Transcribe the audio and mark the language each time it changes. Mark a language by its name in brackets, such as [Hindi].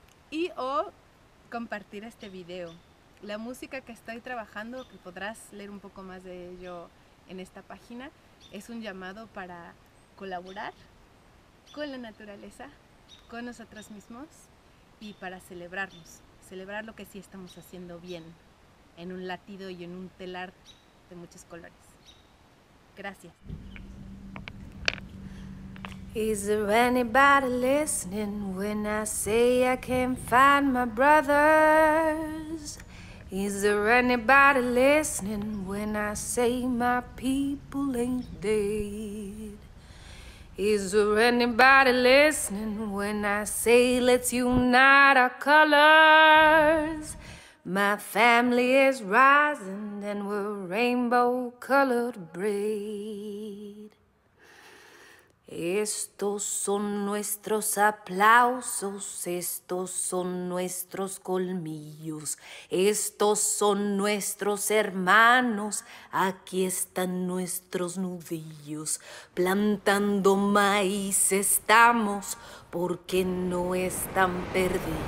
[Spanish] Y compartir este video. La música que estoy trabajando, que podrás leer un poco más de ello en esta página, es un llamado para colaborar con la naturaleza, con nosotros mismos y para celebrarnos, celebrar lo que sí estamos haciendo bien en un latido y en un telar de muchos colores. Gracias. [English] Is there anybody listening when I say I can't find my brothers? Is there anybody listening when I say my people ain't dead? Is there anybody listening when I say let's unite our colors? My family is rising and we're rainbow-colored braid. [Spanish] Estos son nuestros aplausos, estos son nuestros colmillos, estos son nuestros hermanos, aquí están nuestros nudillos. Plantando maíz estamos, porque no están perdidos.